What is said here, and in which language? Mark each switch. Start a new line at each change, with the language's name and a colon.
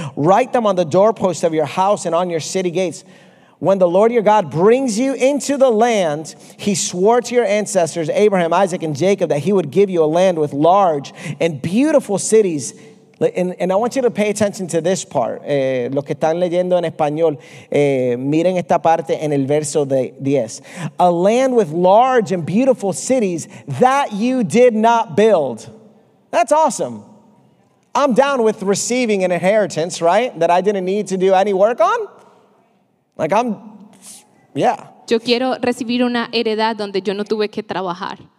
English: Write them on the doorposts of your house and on your city gates. When the Lord your God brings you into the land, he swore to your ancestors, Abraham, Isaac, and Jacob, that he would give you a land with large and beautiful cities. And I want you to pay attention to this part.
Spanish: Los que están leyendo en español, miren esta parte en el verso de 10.
English: A land with large and beautiful cities that you did not build. That's awesome. I'm down with receiving an inheritance, right, that I didn't need to do any work on. Like I'm, yeah.
Spanish: Yo quiero recibir una heredad donde yo no tuve que trabajar.